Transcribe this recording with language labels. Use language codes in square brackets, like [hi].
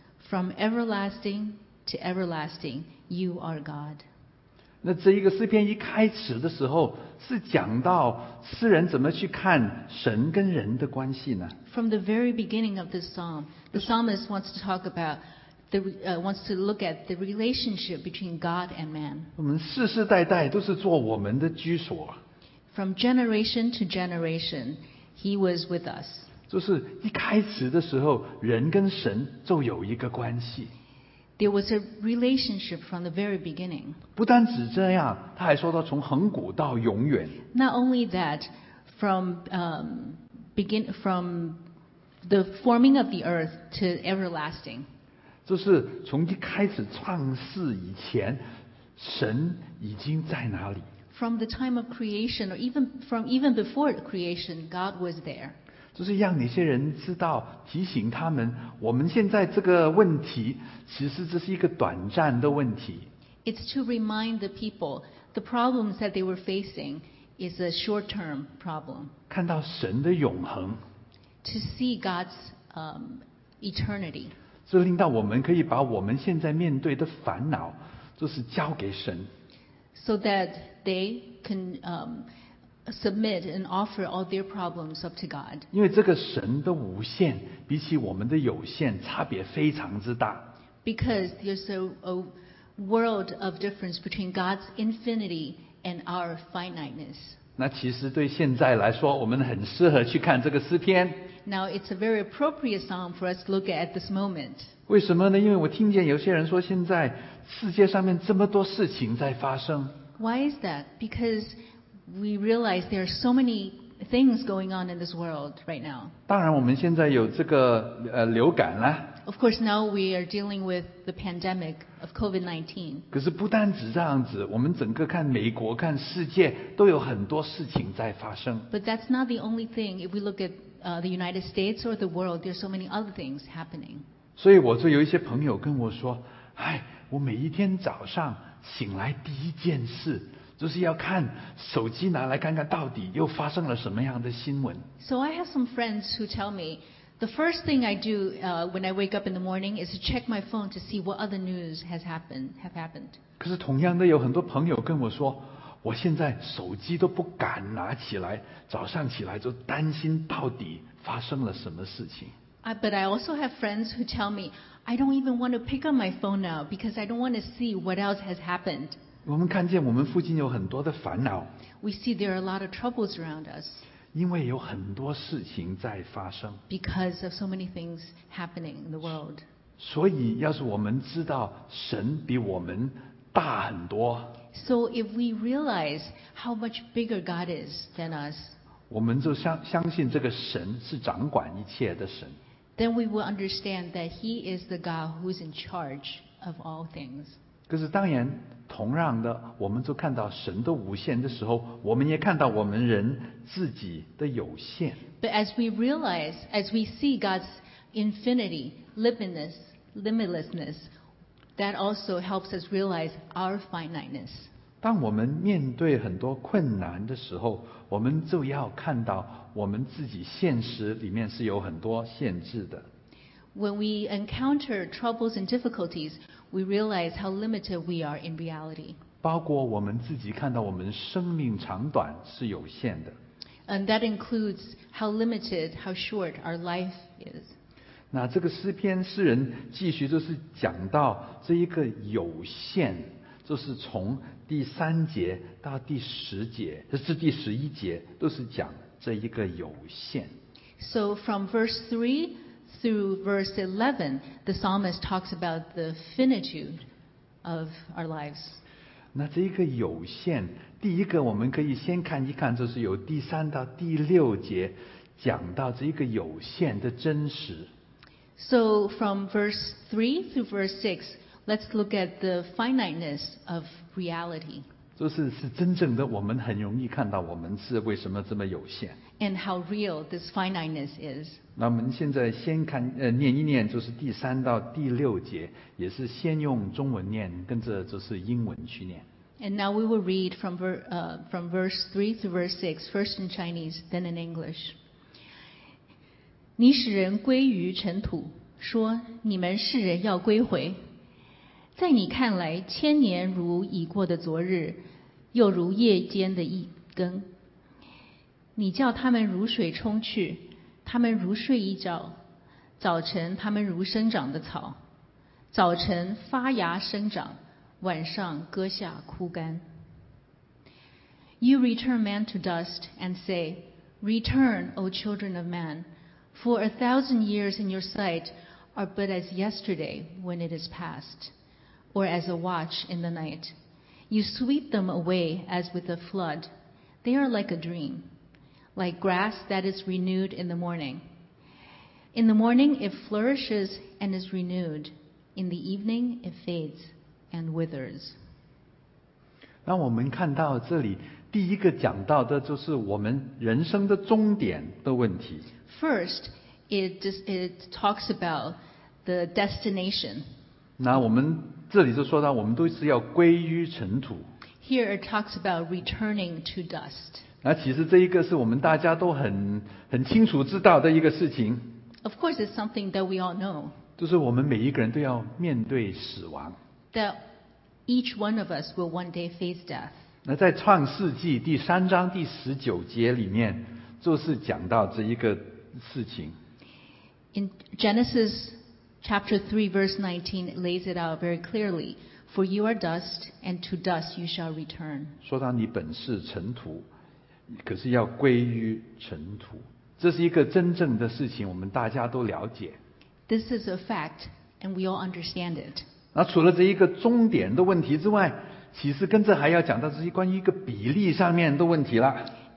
[en] From everlasting to everlasting, you are God. [zh] 那这一个诗篇一开始的时候，是讲到诗人怎么去看神跟人的关系呢？ [en] From the very beginning of this psalm, the psalmist wants to talk about the, wants to look at the relationship between God and man. [zh] 我们世世代代都是做我们的居所。 [en] From generation to generation, he was with us. [zh] 就是一开始的时候，人跟神就有一个关系。 [en] There was a relationship from the very beginning. [zh] 不单只这样，他还说到从恒古到永远。 [en] Not only that, from begin from the forming of the earth to everlasting. [zh] 就是从一开始创世以前，神已经在哪里？ [en] From the time of creation, or even from even before creation, God was there. [zh] 就是让那些人知道，提醒他们，我们现在这个问题，其实这是一个短暂的问题。 [en] It's to remind the people the problems that they were facing is a short-term problem. [zh] 看到神的永恒。 [en] To see God's eternity. [zh] 这令到我们可以把我们现在面对的烦恼，就是交给神。 [en] So that they can submit and offer all their problems up to God. [zh] 因为这个神的无限比起我们的有限差别非常之大。 [en] Because there's a world of difference between God's infinity and our finiteness. [zh] 那其实对现在来说，我们很适合去看这个诗篇。 [en] Now it's a very appropriate psalm for us to look at this moment. [zh] 为什么呢？因为我听见有些人说，现在世界上面这么多事情在发生。 [en] Why is that? Because we realize there are so many things going on in this world right now. [zh] 当然我们现在有这个流感啦。 [en] Of course now we are dealing with the pandemic of COVID-19. [zh] 可是不单只这样子，我们整个看美国看世界都有很多事情在发生。 [en] But that's not the only thing. If we look at the United States or the world, there are so many other things happening. [zh] 所以我就有一些朋友跟我说，哎，我每一天早上醒来第一件事就是要看手机，拿来看看到底又发生了什么样的新闻。 [en] So I have some friends who tell me the first thing I do when I wake up in the morning is to check my phone to see what other news has happened. [zh] But 同样的，有很多朋友跟我说，我现在手机都不敢拿起来，早上起来就担心到底发生了什么事情。 [en] But I also have friends who tell me I don't even want to pick up my phone now because I don't want to see what else has happened. [zh] 我们看见我们附近有很多的烦恼。 [en] We see there are a lot of troubles around us. [zh] 因为有很多事情在发生。 [en] Because of so many things happening in the world. [zh] 所以要是我们知道神比我们大很多。 [en] So if we realize how much bigger God is than us. [zh] 我们就相信这个神是掌管一切的神。 [en] Then we will understand that He is the God who is in charge of all things. [zh] 可是当然同样的，我们就看到神的无限的时候，我们也看到我们人自己的有限。 [en] But as we realize, as we see God's infinity, limitlessness, that also helps us realize our finiteness. [zh] 当我们面对很多困难的时候，我们就要看到我们自己现实里面是有很多限制的。 [en] When we encounter troubles and difficulties, we realize how limited we are in reality. [zh] 包括我们自己看到我们生命长短是有限的。 [en] And that includes how limited, how short our life is. [zh] 那这个诗篇诗人继续就是讲到这一个有限，就是从第三节到第十节，这是第十一节，都是讲这一个有限。 [en] So from verse 3,through verse 11, the psalmist talks about the finitude of our lives. [zh] 那这一个有限，第一个我们可以先看一看，就是由第三到第六节讲到这一个有限的真实。 [en] So from verse 3 through verse 6, let's look at the finiteness of reality. [zh] 就是真正的我们很容易看到我们是为什么这么有限。 [en] And how real this finiteness is. [zh] 那我们现在先看念一念，就是第三到第六节，也是先用中文念，跟着就是英文去念。 [en] And now we will read from verse 3 to verse 6, first in Chinese, then in English. [zh] 你使人归于尘土，说你们世人要归回。在你看来，千年如已过的昨日，又如夜间的根。你叫他们如水冲去，他们如睡一觉，早晨他们如生长的草，早晨发芽生长，晚上割下枯干。 [en] You return man to dust and say, Return, O children of man, for a thousand years in your sight are but as yesterday when it is past, or as a watch in the night. You sweep them away as with a flood. They are like a dream, like grass that is renewed in the morning. In the morning it flourishes and is renewed. In the evening it fades and withers. [zh] 让我们看到这里第一个讲到的就是我们人生的终点的问题。 [en] First, it talks about the destination. [zh] 那我们这里就说到我们都是要归于尘土。 [en] Here it talks about returning to dust. [zh] 那其实这一个是我们大家都很清楚知道的一个事情。 [en] Of course, it's something that we all know. [zh] 就是我们每一个人都要面对死亡。 [en] That each one of us will one day face death. [zh] 那在创世纪第三章第十九节里面，就是讲到这一个事情。 [en] In Genesis chapter 3 verse 19 lays it out very clearly. For you are dust, and to dust you shall return. [zh] 说到你本是尘土，可是要归于尘土，这是一个真正的事情，我们大家都了解。 [en] This is a fact, and we all understand it. [zh] 那除了这一个终点的问题之外，其实跟这还要讲到这些关于一个比例上面的问题了。